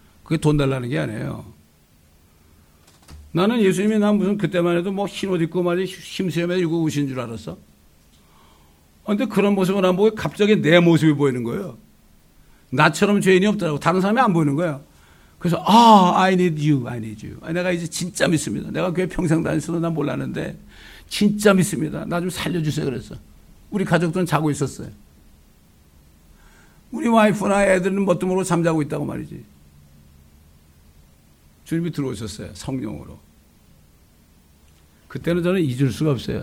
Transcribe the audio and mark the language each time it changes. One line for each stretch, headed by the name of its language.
Korean: 그게 돈 달라는 게 아니에요. 나는 예수님이 난 무슨 그때만 해도 뭐 흰옷 입고 말이 힘수염에 이거 오신 줄 알았어. 근데 그런 모습을 안 보고 갑자기 내 모습이 보이는 거예요. 나처럼 죄인이 없더라고. 다른 사람이 안 보이는 거예요. 그래서, 아,
English: I need you, I need you.
Korean: 내가 이제 진짜 믿습니다. 내가 교회 평생 다녔어도 난 몰랐는데, 진짜 믿습니다. 나 좀 살려주세요. 그랬어. 우리 가족들은 자고 있었어요. 우리 와이프나 애들은 뭣도 모르고 잠자고 있다고 말이지. 주님이 들어오셨어요. 성령으로. 그때는 저는 잊을 수가 없어요.